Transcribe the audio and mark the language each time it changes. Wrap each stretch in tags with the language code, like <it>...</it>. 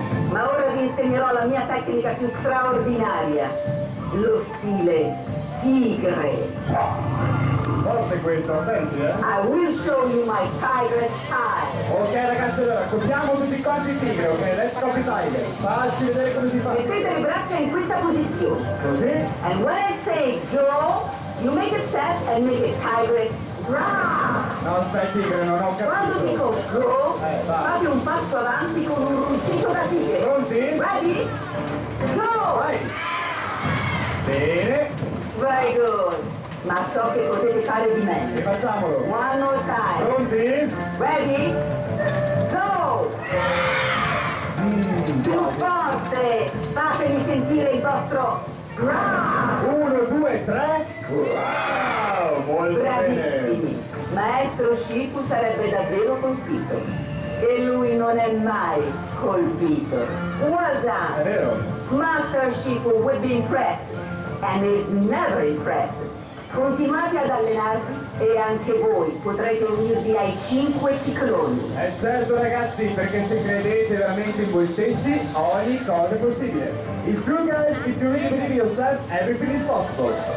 <it>Ma ora vi insegnerò la mia tecnica più straordinaria, lo stile tigre. Forte questo, attenti.</it> <en>I will show you my tigre style.</en> <it>Ok ragazzi, allora copiamo tutti quanti i tigre, ok?</it> <en>Let's copy tiger.</en> <it>Facci vedere come si fa. Mettete le braccia in questa posizione. Così.</it> <en>And when I say go, you make a step and make a tigre run.</en> <it>No, aspetta, tigre, non ho capito. Quando dico go, fate un passo avanti con un ruggito da tigre. Pronti?</it> <en>Ready? Go!</en> <it>Vai! Bene!</it> <en>Very good!</en> <it>Ma so che potete fare di meglio. E facciamolo!</it> <en>One more time!</en> <it>Pronti?</it> <en>Ready? Go!</en> <it>Più forte! Fatemi sentire il vostro Wow. 1, 2, 3. Wow! Molto bravissimi! Bene. Maestro Shifu sarebbe davvero colpito. E lui non è mai colpito.</it> <en>Well done!</en> <it>È vero!</it> <en>Master Shifu would be impressed and is never impressed.</en> <it>Continuate ad allenarvi e anche voi potrete unirvi ai 5 cicloni. È certo ragazzi, perché se credete veramente in voi stessi, ogni cosa è possibile.</it> <en>If you guys, if you really believe in yourself, everything is possible.</en>